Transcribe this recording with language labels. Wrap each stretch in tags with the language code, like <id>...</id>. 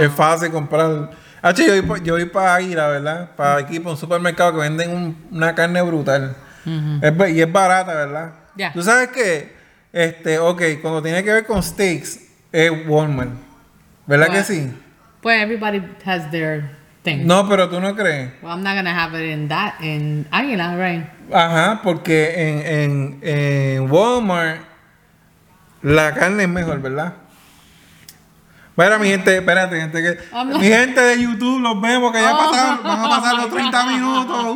<es>Es fácil comprar. Achy, yo voy para Águila, ¿verdad? Para aquí, para un supermercado que venden una carne brutal. Mm-hmm. Y es barata, ¿verdad?</es> <en>Yeah.</en> <es>¿Tú sabes qué? Ok, cuando tiene que ver con steaks, es Walmart. ¿Verdad que sí? Pues</es> <en>everybody has their thing.</en> <es>No, pero tú no crees.</es> <en>Well, I'm not going to have it in Águila, right?</en> <es>Ajá, porque en Walmart la carne es mejor, ¿verdad? Bueno, mi gente, espérate, gente que mi gente de YouTube los vemos que ya vamos a pasar los 30 minutos.</es>